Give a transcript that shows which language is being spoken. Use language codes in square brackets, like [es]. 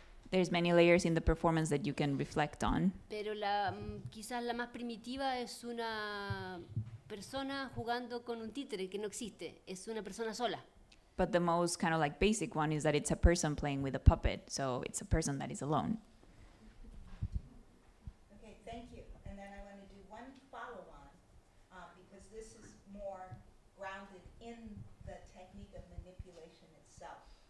[en] There's many layers in the performance that you can reflect on. [es] Pero la quizás la más primitiva es una persona jugando con un títere que no existe. Es una persona sola. [en] But the most kind of like basic one is that it's a person playing with a puppet, so it's a person that is alone. Okay, thank you. And then I want to do one follow-on because this is more grounded in the technique of manipulation itself.